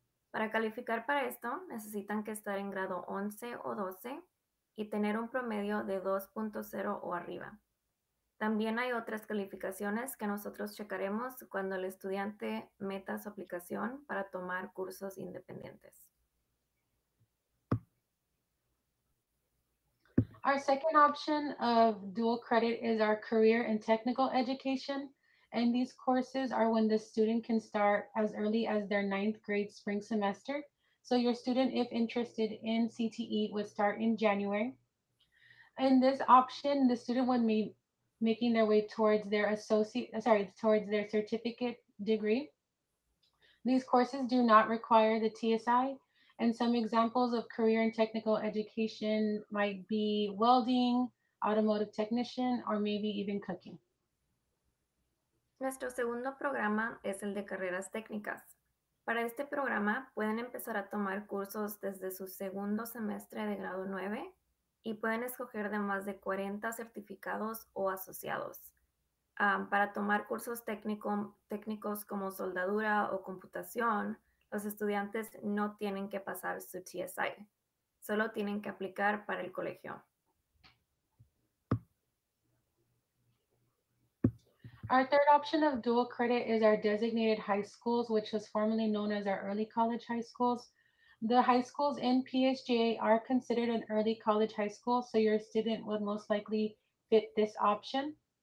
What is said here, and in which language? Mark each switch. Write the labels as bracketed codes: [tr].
[es] Para calificar para esto, necesitan que estar en grado 11 o 12 y tener un promedio de 2.0 o arriba. También hay otras calificaciones que nosotros checaremos cuando el estudiante meta su aplicación para tomar cursos independientes. [en] Our second option of dual credit is our career and technical education. And these courses are when the student can start as early as their ninth grade spring semester. So your student, if interested in CTE, would start in January. In this option, the student would be making their way towards their certificate degree. These courses do not require the TSI. And some examples of career and technical education might be welding, automotive technician, or maybe even cooking. [es] Nuestro segundo programa es el de carreras técnicas. Para este programa pueden empezar a tomar cursos desde su segundo semestre de grado 9 y pueden escoger de más de 40 certificados o asociados. Para tomar cursos técnicos como soldadura o computación, los estudiantes no tienen que pasar su TSI, solo tienen que aplicar para el colegio. [en] Our third option of dual credit is our designated high schools, which was formerly known as our early college high schools. The high schools in PSGA are considered an early college high school, so your student would most likely fit this option.